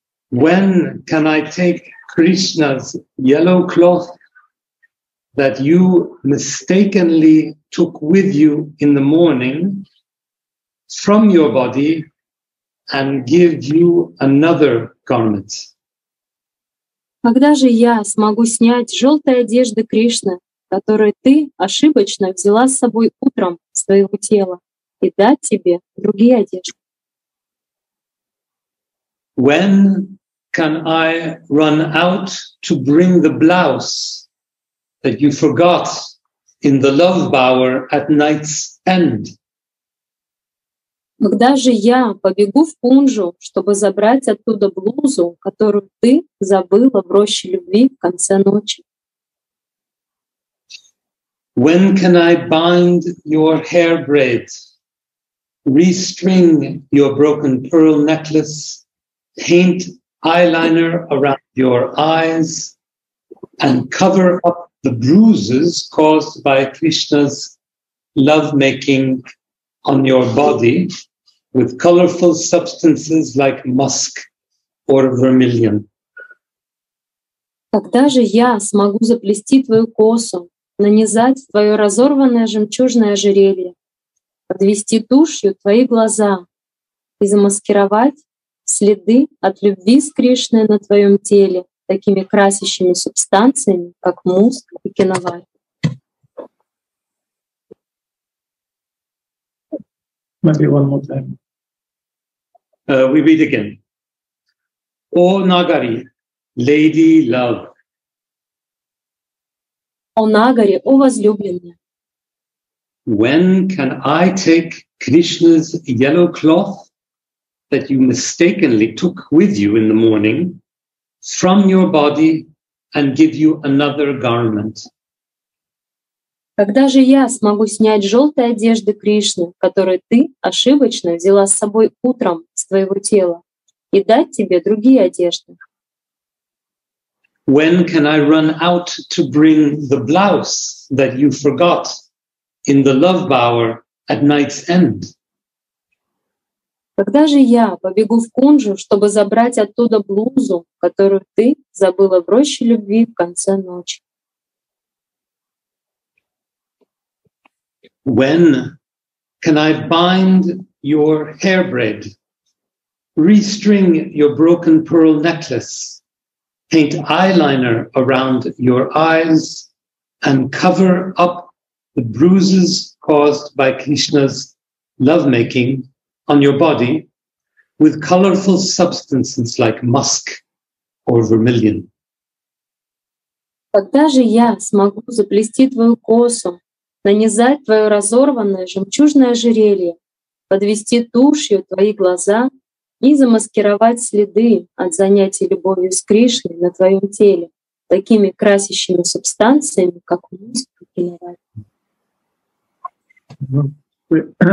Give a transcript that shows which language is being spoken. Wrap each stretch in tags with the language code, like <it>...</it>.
<en>When can I take Krishna's yellow cloth that you mistakenly took with you in the morning from your body and give you another garment?</en> <ru>Когда же я смогу снять желтые одежды Кришны, которые ты ошибочно взяла с собой утром с твоего тела, и дать тебе другие одежды?</ru> <en>When can I run out to bring the blouse that you forgot in the love bower at night's end?</en> <ru>Когда же я побегу в пунжу, чтобы забрать оттуда блузу, которую ты забыла в роще любви в конце ночи?</ru> <en>When can I bind your hair braid, restring your broken pearl necklace, paint eyeliner around your eyes and cover up the bruises caused by Krishna's lovemaking on your body with colorful substances like musk or vermilion?</en> <ru>Когда же я смогу заплести твою косу, нанизать твое разорванное жемчужное ожерелье, подвести тушью твои глаза и замаскировать следы от любви с Кришной на твоем теле такими красящими субстанциями, как муск и киноварь?</ru> <en>Maybe one more time. We read again. О Нагари, Lady Love.</en> <ru>О Нагари, о возлюбленная.</ru> <en>When can I take Krishna's yellow cloth that you mistakenly took with you in the morning from your body and give you another garment?</en> <ru>Когда же я смогу снять желтые одежды Кришны, которые ты ошибочно взяла с собой утром с твоего тела, и дать тебе другие одежды?</ru> <en>When can I run out to bring the blouse that you forgot in the love bower at night's end?</en> <ru>Когда же я побегу в кунжу, чтобы забрать оттуда блузу, которую ты забыла в роще любви в конце ночи?</ru> <en>When can I bind your hair braid, restring your broken pearl necklace, paint eyeliner around your eyes, and cover up the bruises caused by Krishna's lovemaking on your body with colorful substances like musk or vermilion?</en> <ru>Когда же я смогу заплести твою косу, нанизать твое разорванное жемчужное ожерелье, подвести тушью твои глаза и замаскировать следы от занятий любовью с Кришной на твоем теле такими красящими субстанциями, как муск и киноварь?</ru>